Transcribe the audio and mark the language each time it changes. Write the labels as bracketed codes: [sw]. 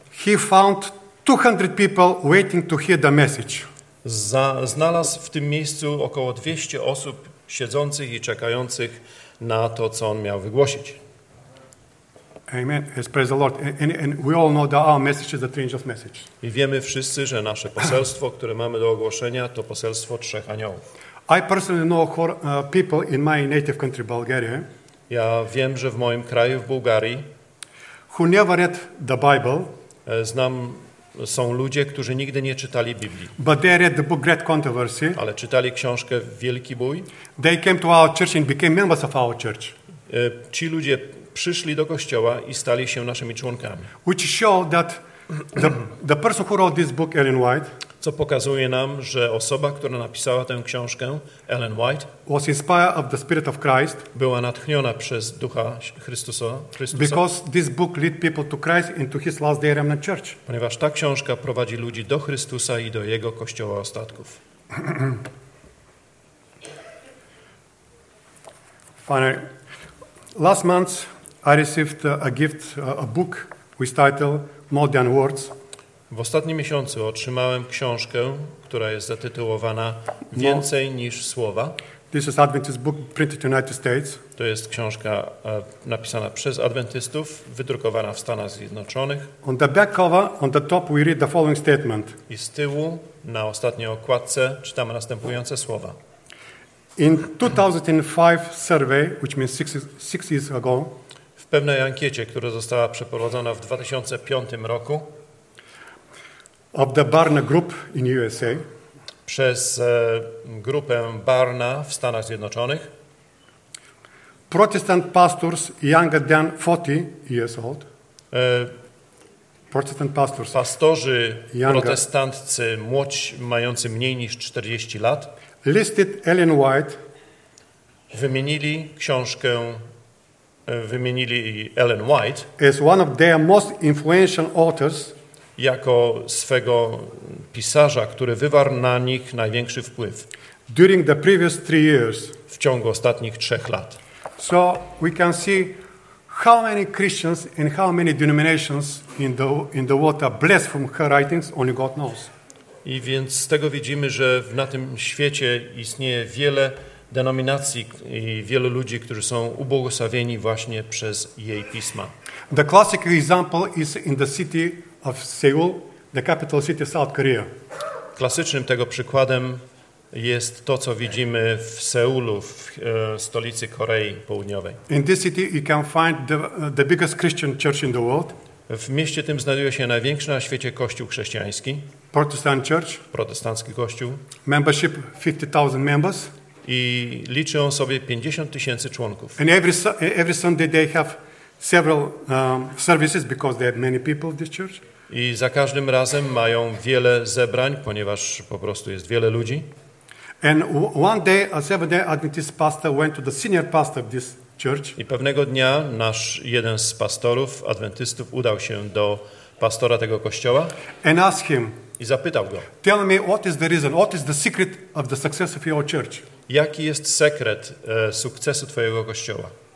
[en] He found 200 people waiting to hear the message. [pl] Znalazł w tym miejscu około 200 osób siedzących i czekających na to, co on miał wygłosić. [en] Amen. Yes, praise the Lord. [pl] And we all know that our message is the three angels' message. [en] I wiemy wszyscy, że nasze poselstwo, które mamy do ogłoszenia, to poselstwo trzech aniołów. [pl] I personally know people in my native country, Bulgaria. [en] Ja wiem, że w moim kraju, w Bułgarii, [pl] who never read the Bible. [en] Znam, są ludzie, którzy nigdy nie czytali Biblii. [pl] But they read the book Great Controversy. [en] Ale czytali książkę Wielki Bój. [pl] They came to our church and became members of our church. [en] Ci ludzie przyszli do kościoła i stali się naszymi członkami. [pl] Which show that the person who wrote this book, Ellen White, [en] co pokazuje nam, że osoba, która napisała tę książkę, Ellen White, [pl] was inspired of the Spirit of Christ, [en] była natchniona przez Ducha Chrystusa. [pl] Because this book lead people to Christ and to His last day remnant church. [en] Ponieważ ta książka prowadzi ludzi do Chrystusa i do Jego kościoła ostatków. [pl] Finally, last month I received a gift, a book with title More Than Words. [en] W ostatnim miesiącu otrzymałem książkę, która jest zatytułowana Więcej niż słowa. [pl] This is Adventist book printed in the United States. [en] To jest książka napisana przez adwentystów, wydrukowana w Stanach Zjednoczonych. [pl] On the back cover, on the top we read the following statement. [en] I z tyłu na ostatniej okładce czytamy następujące słowa. [pl] In 2005 survey, which means six years ago, [en] w pewnej ankiecie, która została przeprowadzona w 2005 roku, [pl] of the Barna Group in USA, [en] przez grupę Barna w Stanach Zjednoczonych, [pl] Protestant pastors younger than 40 years old, Protestant pastors, [en] pastorzy younger, protestantcy młodzi, mający mniej niż 40 lat, [pl] listed Ellen White, [en] wymienili książkę, wymienili Ellen White [pl] as one of their most influential authors, [en] jako swego pisarza, który wywarł na nich największy wpływ [pl] during the previous three years, [en] w ciągu ostatnich trzech lat. [pl] So we can see how many Christians and how many denominations in the world are blessed from her writings, only God knows. [en] I więc z tego widzimy, że na tym świecie istnieje wiele denominacji i wielu ludzi, którzy są ubłogosławieni właśnie przez jej pisma. [pl] The classic example is in the city of Seoul, the capital city of South Korea. [en] Klasycznym tego przykładem jest to, co widzimy w Seulu, w stolicy Korei Południowej. [pl] In this city you can find the biggest Christian church in the world. [en] W mieście tym znajduje się największy na świecie kościół chrześcijański. [pl] Protestant church. [en] Protestancki kościół. [pl] Membership 50,000 members. [en] I liczy on sobie 50 tysięcy członków. [pl] And every Sunday they have several services because they have many people in this church. [en] I za każdym razem mają wiele zebrań, ponieważ po prostu jest wiele ludzi. [pl] And one day, a Seventh-day Adventist pastor went to the senior pastor of this church. [en] I pewnego dnia nasz jeden z pastorów, adwentystów, udał się do pastora tego kościoła. [pl] And asked him. [en] I zapytał go. [pl] Tell me what is the reason, what is the secret of the success of your church? [en] Jaki jest sekret sukcesu twojego kościoła?